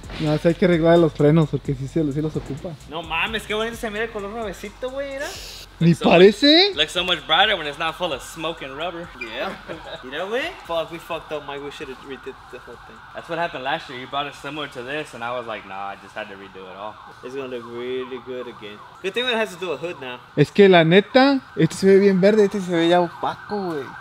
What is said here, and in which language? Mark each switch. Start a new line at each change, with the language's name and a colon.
Spanish: No, si hay que arreglar los frenos porque sí los ocupa. No mames, qué bonito se mira el color nuevecito, güey, era. ¿Ni parece?
English: Looks so much brighter when it's not full of smoke and rubber. Yeah. You know, güey? Fuck, we fucked up, Mike. We should have redid the whole thing. That's what happened last year. You brought it similar to this and I was like, nah, I just had to redo it all. It's gonna look really good again. Good thing it has to do a hood now.
Spanish: Es que la neta, este se ve bien verde, este se ve ya opaco, güey.